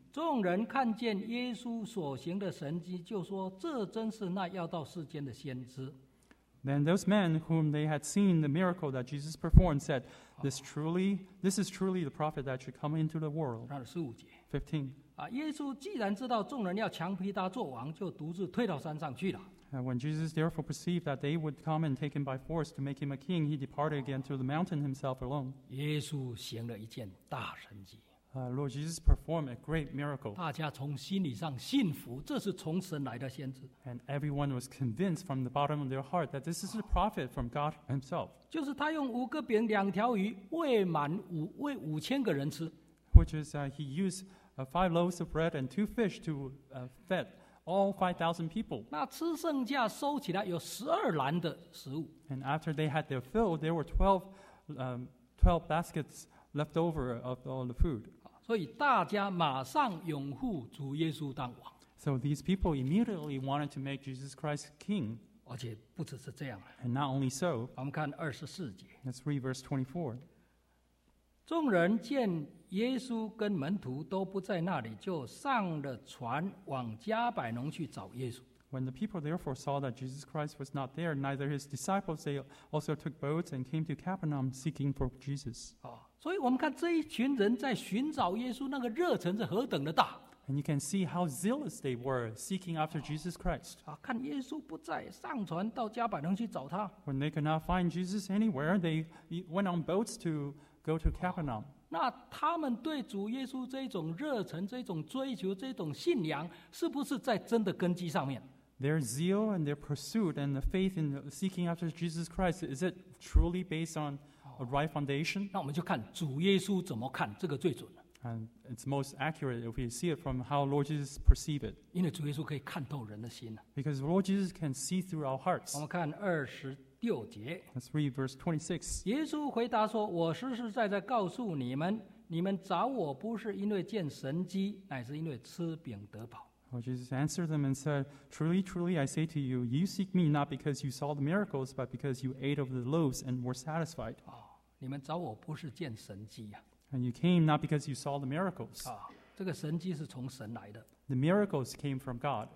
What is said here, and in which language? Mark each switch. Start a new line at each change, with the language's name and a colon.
Chinese: 众人看见耶稣所行的神迹，就说：“这真是那要到世间的先知。”
English: Then those men whom they had seen the miracle that Jesus performed said, This is truly the prophet that should come into the world. 15.
Chinese: 耶稣既然知道众人要强逼他做王，就独自退到山上去了。
English: And when Jesus therefore perceived that they would come and take him by force to make him a king, he departed again to the mountain himself alone.
Chinese: 耶稣行了一件大神迹。
English: Lord Jesus performed a great miracle.
Chinese: 大家从心理上信服，这是从神来的先知。
English: And everyone was convinced from the bottom of their heart that this is a prophet from God himself.
Chinese: 就是他用五个饼两条鱼喂五千个人吃。
English: Which is he used five loaves of bread and two fish to feed all 5,000 people.
Chinese: 那吃剩下收起来有十二篮的食物。
English: And after they had their fill, there were 12 baskets left over of all the food.
Chinese: 所以大家马上拥护主耶稣当王。
English: So these people immediately wanted to make Jesus Christ king.
Chinese: 而且不只是这样。
English: And not only so.
Chinese: 我们看二十四节。
English: Let's read verse 24.
Chinese: 众人见耶稣跟门徒都不在那里，就上了船往加百农去找耶稣。
English: When the people therefore saw that Jesus Christ was not there, neither his disciples, they also took boats and came to Capernaum seeking for Jesus.
Chinese: 所以我们看这一群人在寻找耶稣那个热忱是何等的大。
English: And you can see how zealous they were seeking after Jesus Christ.
Chinese: 看耶稣不在，上船到加百农去找他。
English: When they could not find Jesus anywhere, they went on boats to go to Capernaum.
Chinese: 那他们对主耶稣这种热忱、这种追求、这种信仰，是不是在真的根基上面？
English: Their zeal and their pursuit and the faith in seeking after Jesus Christ, is it truly based on a right foundation?
Chinese: 那我们就看主耶稣怎么看这个最准。
English: And it's most accurate if we see it from how Lord Jesus perceives it.
Chinese: 因为主耶稣可以看透人的心。
English: Because Lord Jesus can see through our hearts.
Chinese: 我们看二十六节。
English: Let's read verse 26.
Chinese: 耶稣回答说，我实实在在告诉你们，你们找我不是因为见神迹，乃是因为吃饼得饱。
English: Jesus answered them and said, Truly, truly, I say to you, you seek me not because you saw the miracles, but because you ate of the loaves and were satisfied.
Chinese: 你们找我不是见神迹啊。
English: And you came not because you saw the miracles.
Chinese: 这个神迹是从神来的。
English: The miracles came from God.